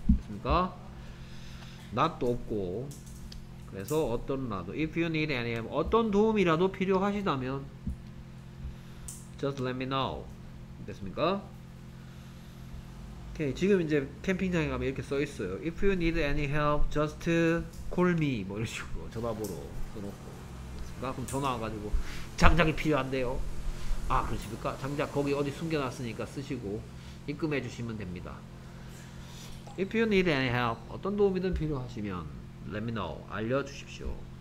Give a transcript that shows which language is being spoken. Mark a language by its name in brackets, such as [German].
[Korean] 됐습니까? not도 없고. 그래서 어떤 라도. [English] If you need any help. [Korean] 어떤 도움이라도 필요하시다면. [English] Just let me know. [Korean] 됐습니까? 오케이, 지금 이제 캠핑장에 가면 이렇게 써 있어요. [English] If you need any help, just call me. [Korean] 뭐 이런 식으로 전화번호 써놓고. 됐습니까? 그럼 전화 와가지고 장작이 필요한데요. 아, 그러십니까? 장작 거기 어디 숨겨놨으니까 쓰시고 입금해 주시면 됩니다. [English] If you need any help, [Korean] 어떤 도움이든 필요하시면 [English] let me know. [Korean] 알려주십시오.